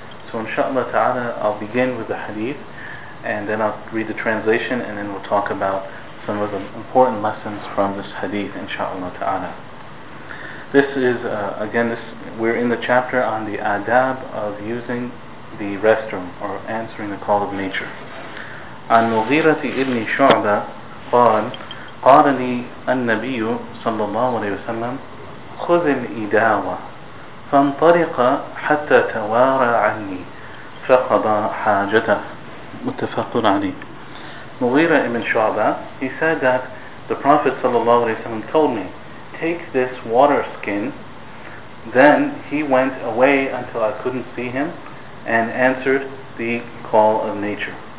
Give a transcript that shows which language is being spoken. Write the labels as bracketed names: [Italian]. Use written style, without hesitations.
[English] So inshaAllah ta'ala I'll begin with the hadith and then I'll read the translation and then we'll talk about some of the important lessons from this hadith inshaAllah ta'ala. This is we're in the chapter on the adab of using the restroom or answering the call of nature. [Arabic] عن مغيرة ابن شعبة قال قال لي النبي صلى الله عليه وسلم خذ الإداوة فانطلق حتى توارى عني فقضى حاجته. متفق عليه. [English] مغيرة ابن شعبة, he said that the Prophet صلى الله عليه وسلم told me, take this water skin. Then he went away until I couldn't see him and answered the call of nature.